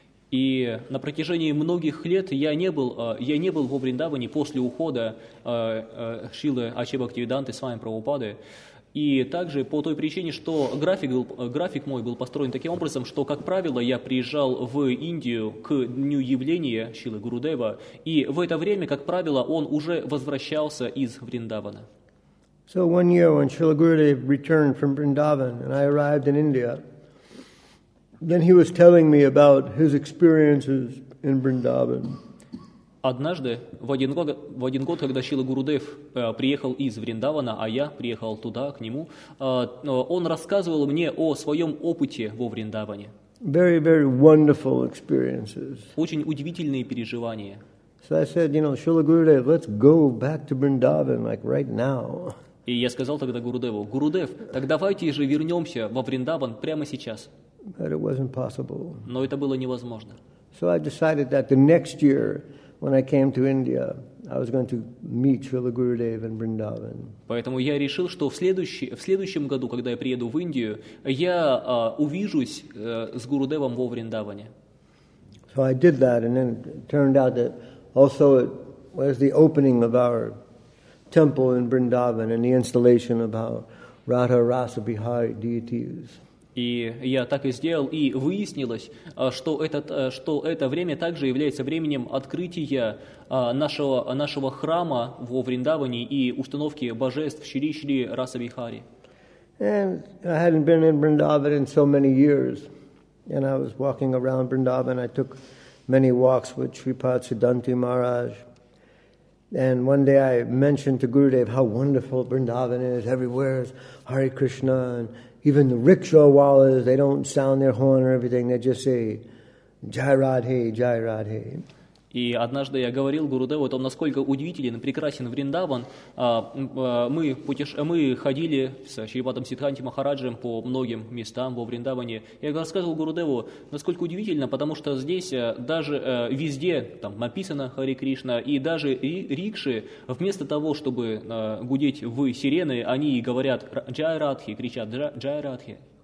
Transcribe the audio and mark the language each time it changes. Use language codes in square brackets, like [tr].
[ru] И на протяжении многих лет я не был во Вриндаване после ухода Шрилы Ачхебхактивиданты с вами Прабхупады. И также по той причине, что график мой был построен таким образом, что, как правило, я приезжал в Индию к дню явления Шрилы Гурудева, и в это время, как правило, он уже возвращался из Вриндавана. [en] So one year when Srila Gurudev returned from Vrindavan and I arrived in India, then he was telling me about his experiences in Vrindavan. [ru] Однажды в один год, когда Шрила Гурудев приехал из Вриндавана, а я приехал туда к нему, он рассказывал мне о своем опыте во Вриндаване. [en] Very, very wonderful experiences. [ru] Очень удивительные переживания. [en] So I said, you know, Srila Gurudev, let's go back to Vrindavan like right now. [ru] И я сказал тогда Гурудеву: Гурудев, так давайте же вернемся во Вриндаван прямо сейчас. [en] But it wasn't possible. [ru] Но это было невозможно. [en] So I decided that the next year, when I came to India, I was going to meet Srila Gurudev in Vrindavan. [ru] Поэтому я решил, что в следующем году, когда я приеду в Индию, я увижусь с Гурудевом во Вриндаване. [en] So I did that, and then it turned out that also it was the opening of our temple in Vrindavan and the installation of our Radha Rasa Bihari deities. [ru] И я так и сделал, и выяснилось, что это время также является временем открытия нашего храма во Вриндаване и установки божеств Шри Шри Раса Бихари. [en] And I hadn't been in Vrindavan in so many years, and I was walking around Vrindavan. I took many walks with Sripad Siddhanti Maharaj, And one day I mentioned to Gurudev how wonderful Vrindavan is. Everywhere is Hare Krishna, and even the rickshaw wallahs, they don't sound their horn or everything. They just say, Jai Radhe, Jai Radhe. [ru] И однажды я говорил Гурудеву о том, насколько удивителен и прекрасен Вриндаван. Мы ходили с Шрипатом Сиддханти Махараджем по многим местам во Вриндаване. Я рассказывал Гурудеву, насколько удивительно, потому что здесь даже везде там написано Хари Кришна, и даже рикши, вместо того, чтобы гудеть в сирены, они говорят «Джай Радхи», кричат «Джай Радхи».